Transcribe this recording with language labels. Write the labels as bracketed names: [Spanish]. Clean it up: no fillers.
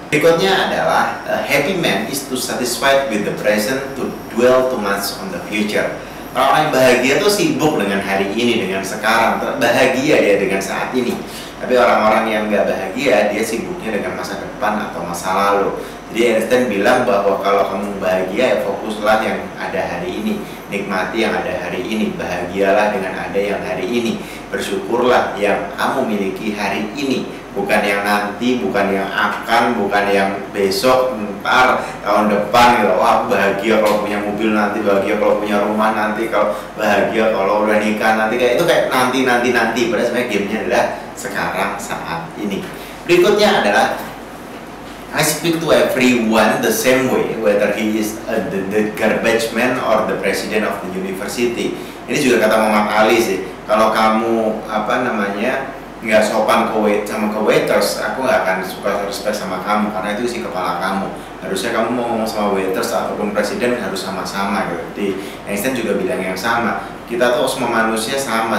[Indonesian] Berikutnya adalah, [English] a happy man is too satisfied with the present to dwell too much on the future. [Indonesian] Orang-orang yang bahagia itu sibuk dengan hari ini, dengan sekarang, bahagia dia dengan saat ini. Tapi orang-orang yang gak bahagia, dia sibuknya dengan masa depan atau masa lalu. Jadi Einstein bilang bahwa kalau kamu bahagia, ya fokuslah yang ada hari ini. Nikmati yang ada hari ini, bahagialah dengan ada yang hari ini. Bersyukurlah yang kamu miliki hari ini. Bukan yang nanti, bukan yang akan, bukan yang besok, ntar, tahun depan gitu. Wah, bahagia kalau punya mobil nanti, bahagia kalau punya rumah nanti, kalau bahagia kalau udah nikah nanti, kayak itu kayak nanti. Padahal sebenarnya gamenya adalah sekarang, saat ini. Berikutnya adalah, [English] I speak to everyone the same way, whether he is the garbage man or the president of the university. [Indonesian] Ini juga kata Muhammad Ali sih, kalau kamu apa namanya nggak sopan sama ke waiters, aku nggak akan suka respect sama kamu, karena itu isi kepala kamu. Harusnya kamu mau ngomong sama waiters ataupun presiden harus sama-sama gitu. Jadi Einstein juga bilang yang sama, kita tuh semua manusia sama.